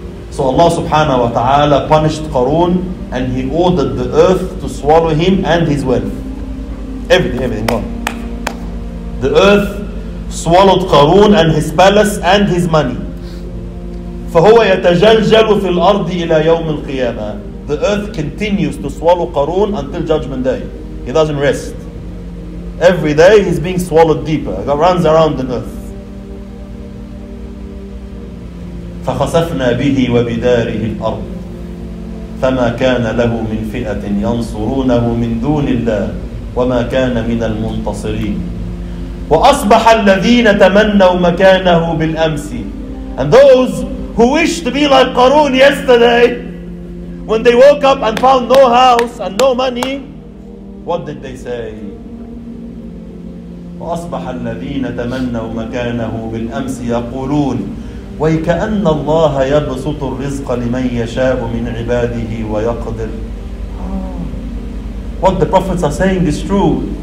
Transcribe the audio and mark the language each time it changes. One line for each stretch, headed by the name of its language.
English: So Allah subhanahu wa ta'ala punished Qarun and he ordered the earth to swallow him and his wealth. Everything gone. The earth swallowed Qarun and his palace and his money.
Arabic: فهو يتجلجل في الأرض إلى يوم القيامة.
English: The earth continues to swallow Qarun until judgment day. He doesn't rest. Every day he's being swallowed deeper. He runs around the earth.
Arabic: فخسفنا به وبداره الأرض. فما كان له من فئة ينصرونه من دون الله وما كان من المنتصرين. وأصبح الذين تمنوا مكانه بالأمس.
English: And those who wished to be like Qarun yesterday, when they woke up and found no house and no money, what did they say?
Arabic: وَأَصْبَحَ الَّذِينَ تَمَنَّوا مَكَانَهُ بِالْأَمْسِ يَقُولُونَ وَيْكَأَنَّ اللَّهَ يَبْسُطُ الرِّزْقَ لِمَنْ يَشَاءُ مِنْ عِبَادِهِ وَيَقْدِرُ
English: What the prophets are saying is true.